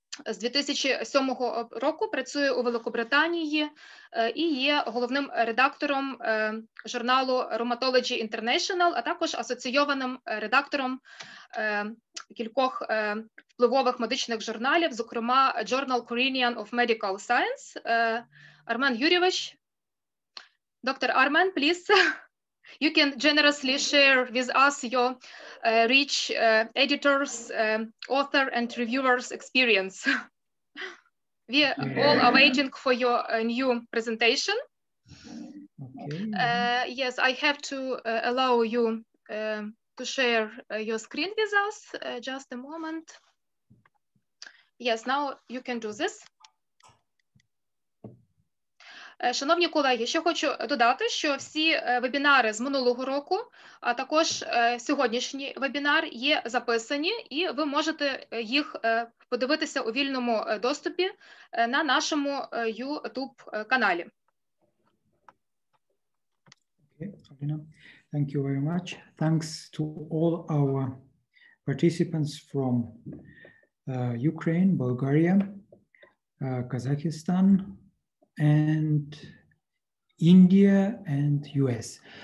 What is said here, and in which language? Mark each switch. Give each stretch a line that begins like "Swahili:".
Ukrainian: з 2007 року працює у Великобританії і є головним редактором журналу Rheumatology International, а також асоційованим редактором кількох впливових медичних журналів, зокрема Journal Korean of Medical Science. Армен Юрійович, доктор Армен,
English: please. You can generously share with us your rich editors, author, and reviewers' experience. We are all are waiting for your new presentation. Okay. Yes, I have to allow you to share your screen with us. Just a moment. Yes, now you can do this.
Ukrainian: Шановні колеги, ще хочу додати, що всі вебінари з минулого року, а також сьогоднішній вебінар є записані, і ви можете їх подивитися у вільному доступі на нашому YouTube-каналі.
English: Okay, thank you very much. Thanks to all our participants from Ukraine, Bulgaria, Kazakhstan, and India and US.